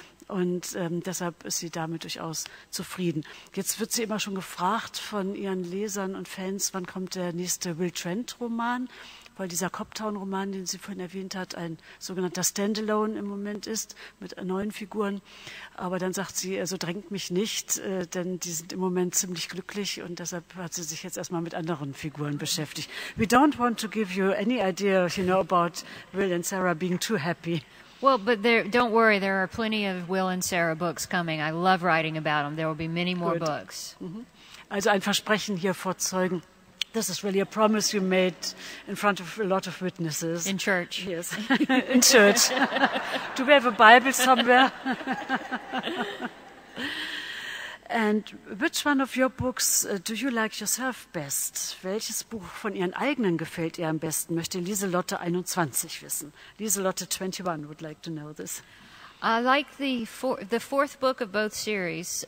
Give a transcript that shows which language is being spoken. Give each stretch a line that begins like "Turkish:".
German: Und deshalb ist sie damit durchaus zufrieden. Jetzt wird sie immer schon gefragt von ihren Lesern und Fans, wann kommt der nächste Will Trent-Roman, weil dieser Coptown-Roman, den sie vorhin erwähnt hat, ein sogenannter Standalone im Moment ist mit neuen Figuren. Aber dann sagt sie, also drängt mich nicht, denn die sind im Moment ziemlich glücklich und deshalb hat sie sich jetzt erstmal mit anderen Figuren beschäftigt.
English: We don't want to give you any idea, you know, about Will and Sarah being too happy. Well, but there, don't worry, there are plenty of Will and Sarah books coming. I love writing about them. There will be many more Good. Books.
German: Mm-hmm. Also ein Versprechen hier vor Zeugen.
English: This is really a promise you made in front of a lot of witnesses. In church. Yes, in church. Do we have a Bible somewhere? And which one of your books do you like yourself best?
German: Welches Buch von Ihren eigenen gefällt ihr am besten? Möchte Lieselotte 21 wissen.
English: Lieselotte 21 would like to know this. I like the fourth book of both series.